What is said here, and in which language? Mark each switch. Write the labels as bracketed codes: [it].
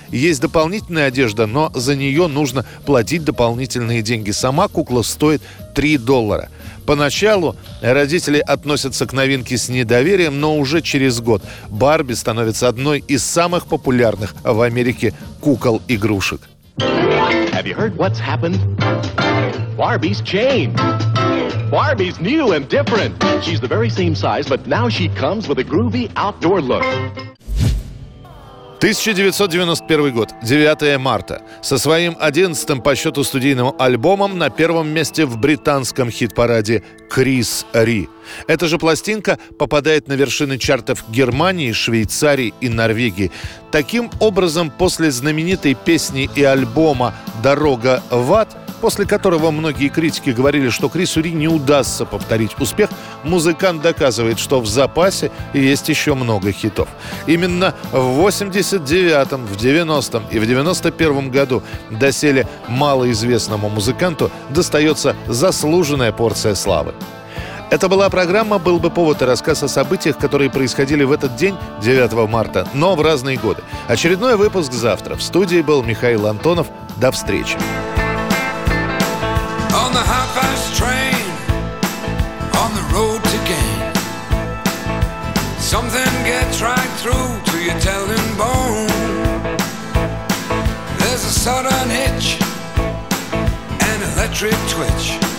[ru] Есть дополнительная одежда, но за нее нужно платить дополнительные деньги. Сама кукла стоит $3. Поначалу родители относятся к новинке с недоверием, но уже через год Барби становится одной из самых популярных в Америке кукол-игрушек. [en] Have you heard what's happened? Barbie's changed. Barbie's new and different. She's the very same size, but now she comes with a groovy outdoor look. [ru] 1991 год, 9 марта. Со своим 11-м по счету студийным альбомом на первом месте в британском хит-параде Крис Ри. Эта же пластинка попадает на вершины чартов Германии, Швейцарии и Норвегии. Таким образом, после знаменитой песни и альбома «Дорога в ад», после которого многие критики говорили, что Крису Ри не удастся повторить успех, музыкант доказывает, что в запасе есть еще много хитов. Именно в 89-м, в 90-м и в 91-м году доселе малоизвестному музыканту достается заслуженная порция славы. Это была программа «Был бы повод» и рассказ о событиях, которые происходили в этот день, 9 марта, но в разные годы. Очередной выпуск завтра. В студии был Михаил Антонов. До встречи. [en] On the half-fast train, on the road to gain. Something gets right through to your telling bone. There's a sudden itch, an electric twitch.